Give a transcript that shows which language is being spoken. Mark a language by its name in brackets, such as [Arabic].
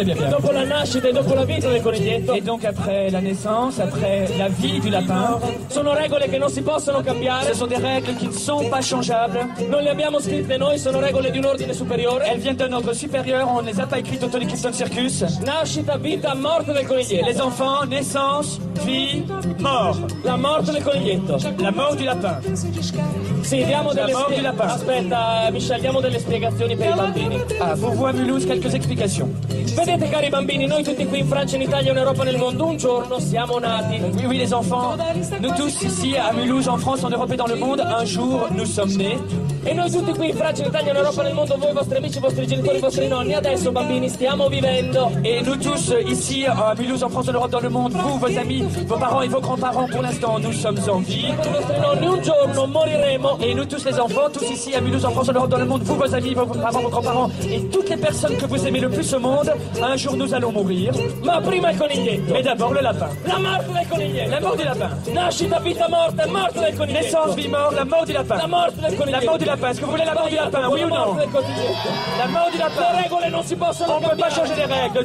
[Italian] Dopo la nascita e dopo la vita del coniglietto. [French] Et donc après la naissance, après la vie du lapin. [Italian] Sono regole che non si possono cambiare. [French] Ce sont des règles qui ne sont pas changeables. [Italian] Non le abbiamo scritte noi, sono regole di un ordine superiore. [French] Elles viennent d'un ordre supérieur, on les a pas écrites au Tony Kingston Circus. [Italian] Nascita, vita, morte del coniglietto. [French] Les enfants, naissance, vie, mort. [Italian] La morte del coniglietto. [French] La mort du lapin. [Italian] Sì, diamo delle [French] la mort du lapin. [Italian] Aspetta, Michel, diamo delle spiegazioni per i bambini. [French] Ah, vous voyez Mulhouse, quelques explications. [Italian] Vedete, cari bambini, noi tutti qui in Francia, in Italia, in Europa, nel mondo, un giorno siamo nati. [French] Oui, oui, les enfants, nous tous ici à Mulhouse, en France, en Europe et dans le monde, un jour nous sommes nés. [Italian] E noi tutti qui in Francia, in Italia, in Europa, nel mondo, voi, vostri amici, vostri genitori, i vostri nonni, adesso bambini stiamo vivendo. E noi tutti [French] ici à Mulhouse en France, en Europe, dans le monde, vous, vos amis, vos parents et vos grands-parents, pour l'instant, nous sommes en vie. Et tous [Italian] vostri nonni un giorno moriremo. [French] Et nous tous les enfants, tous ici à Mulhouse en France, en Europe, dans le monde, vous, vos amis, vos parents, vos grands-parents et toutes les personnes que vous aimez le plus au monde, un jour nous allons mourir. [Italian] Ma prima il coniglietto. [French] Mais d'abord le lapin. La mort [Italian] del coniglietto. [French] La mort du lapin. [Italian] Nascita, vita, morte, morte del coniglietto. [French] Naissance, vie, mort, la mort du lapin. La mort [Italian] del coniglietto. [French] La mort du lapin. Est-ce que vous voulez la mort du lapin, oui ou non? La mort [Italian] del coniglietto. [French] La mort du lapin. Les règles [Italian] non si possono cambiare. [French] On ne peut pas changer les règles.